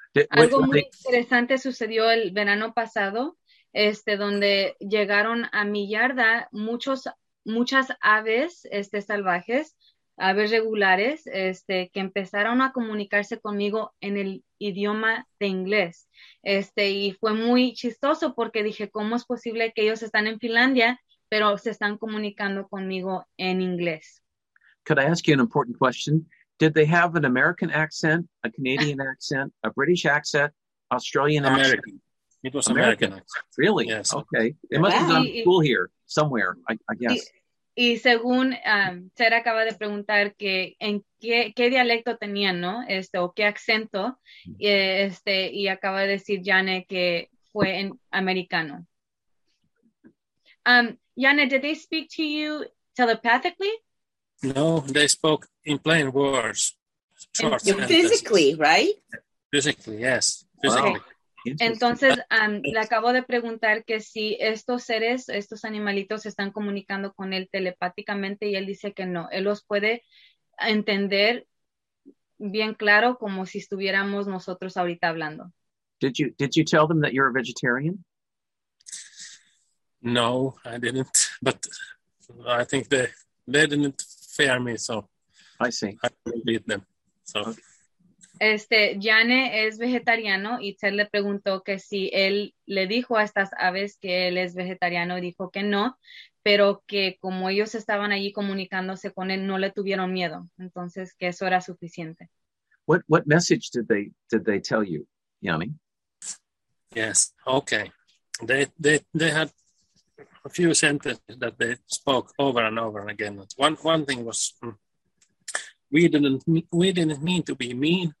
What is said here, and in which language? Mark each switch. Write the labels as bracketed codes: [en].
[es] Algo muy interesante sucedió el verano pasado, donde llegaron a mi yarda muchas aves salvajes, aves regulares, que empezaron a comunicarse conmigo en el idioma de inglés. Y fue muy chistoso porque dije, ¿cómo es posible que ellos están en Finlandia, pero se están comunicando conmigo en inglés? [en] Could I ask you an important question? Did they have an American accent, a Canadian accent, a British accent, Australian American. Accent? It was American accent. Really? Yes. Okay. It must have gone to school here somewhere, I guess. [es] Y según Sarah acaba de preguntar que en qué dialecto tenían, ¿no? O qué acento, y acaba de decir Janet que fue en americano. [en] Janet, did they speak to you telepathically? No, they spoke in plain words. Short and physically, right? Physically, yes. Physically. Wow. [es] Entonces, le acabo de preguntar que si estos seres, estos animalitos, se están comunicando con él telepáticamente y él dice que no. Él los puede entender bien claro como si estuviéramos nosotros ahorita hablando. [en] Did you tell them that you're a vegetarian? No, I didn't. But I think they didn't fear me, so I see. I didn't beat them. So. Okay. [es] Jane es vegetariano y Ted le preguntó que si él le dijo a estas aves que él es vegetariano y dijo que no, pero que como ellos estaban allí comunicándose con él, no le tuvieron miedo. Entonces, que eso era suficiente. [en] What message did they tell you, Yami? Yes, okay. They had a few sentences that they spoke over and over again. One thing was... We didn't mean to be mean.